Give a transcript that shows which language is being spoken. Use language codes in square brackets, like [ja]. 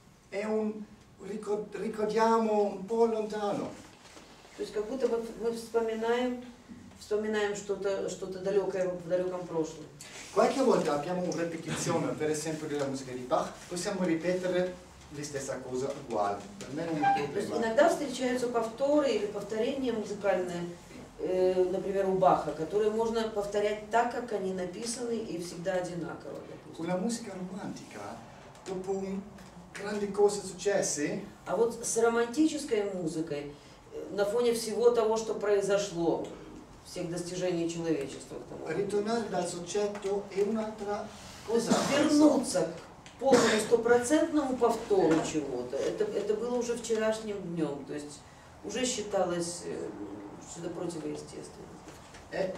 [it] È un ricordiamo un po' lontano. [ru] То есть как будто вот мы вспоминаем что-то далекое в далеком прошлом. [it] Qualche volta abbiamo una ripetizione, per esempio della musica di Bach, possiamo ripetere la stessa cosa uguale. Per me non è un problema. [ru] Иногда встречаются повторы или повторения музыкальные, например, у Баха, которые можно повторять так, как они написаны и всегда одинаково. [it] Con la musica romantica, dopo grandi cose successe. [ru] А вот с романтической музыкой на фоне всего того, что произошло, всех достижений человечества. [it] Ritornare dal soggetto è un'altra cosa. [ru] Вернуться к полному стопроцентному повтору чего-то. Это было уже вчерашним днем, то есть уже считалось что-то противоестественное.